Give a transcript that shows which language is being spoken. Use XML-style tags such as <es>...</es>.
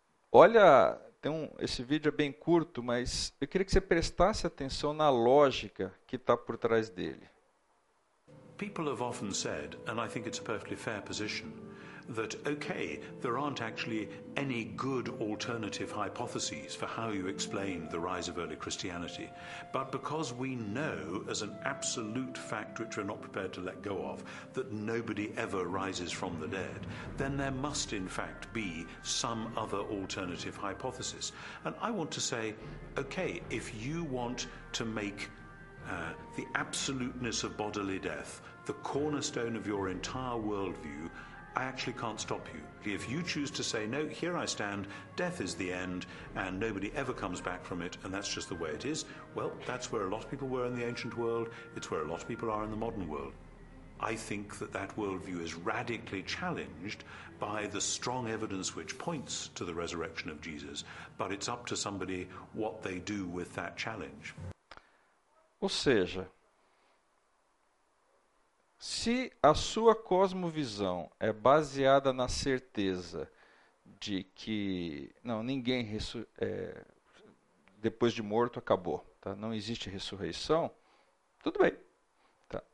<pt>Olha, tem esse vídeo é bem curto, mas eu queria que você prestasse atenção na lógica que está por trás dele.</pt> <en>People have often said, and I think it's a perfectly fair position, that okay, there aren't actually any good alternative hypotheses for how you explain the rise of early Christianity. But because we know as an absolute fact, which we're not prepared to let go of, that nobody ever rises from the dead, then there must in fact be some other alternative hypothesis. And I want to say, okay, if you want to make the absoluteness of bodily death the cornerstone of your entire worldview, I actually can't stop you. If you choose to say, no, here I stand, death is the end, and nobody ever comes back from it, and that's just the way it is, well, that's where a lot of people were in the ancient world, it's where a lot of people are in the modern world. I think that that worldview is radically challenged by the strong evidence which points to the resurrection of Jesus, but it's up to somebody what they do with that challenge.</en> <pt>Ou seja, se a sua cosmovisão é baseada na certeza de que não, ninguém depois de morto acabou, tá? Não existe ressurreição, tudo bem. Tá?</pt>